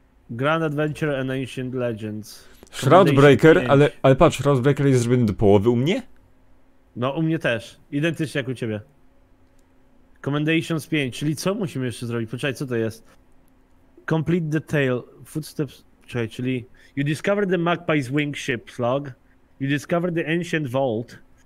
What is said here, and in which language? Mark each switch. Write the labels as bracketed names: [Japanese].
[English] Grand Adventure and Ancient Legends. [Polish] Shroudbreaker, ale patrz, Shroudbreaker jest zrobiony do połowy u mnie? No, u mnie też. Identycznie jak u ciebie. Commendations 5, czyli co musimy jeszcze zrobić? Poczekaj, co to jest? [English] Complete the tale, footsteps... [Polish] Poczekaj, czyli... [English] You discovered the magpie's wingship log. You discovered the ancient vault.